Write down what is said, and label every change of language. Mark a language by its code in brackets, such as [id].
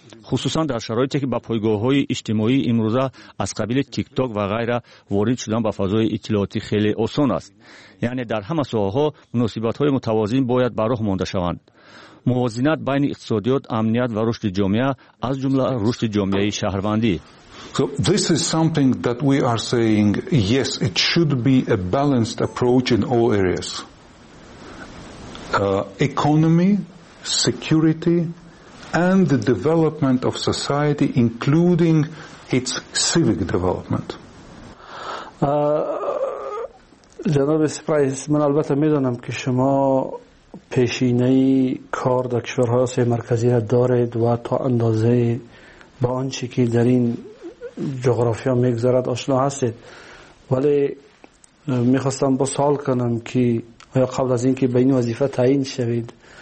[fa] خصوصا در شرایطی که با پایگاه های اجتماعی امروزه از قبیل تیک تاک و غیره وارد شدن به فضای اطلاعاتی خیلی آسان است. یعنی در همه ساحه‌ها مناسبت های متوازن باید به راه مانده شوند. موازنت بین اقتصادیات، امنیت و رشد جامعه از جمله رشد جامعه شهروندی. [en] So this is something that we are saying, yes, it should be a balanced approach in all areas. Economy, security and the development of society, including its civic development. [fa] جناب سپرایز، من البته میدانم که شما پیشینه کار در کشورهای سه مرکزی را دارید و تا اندازه با آنچه که در این جغرافیا میگذرد آشنا هستید، ولی میخواستم با سوال کنم که آیا قبل از اینکه به این وظیفه تعیین شوید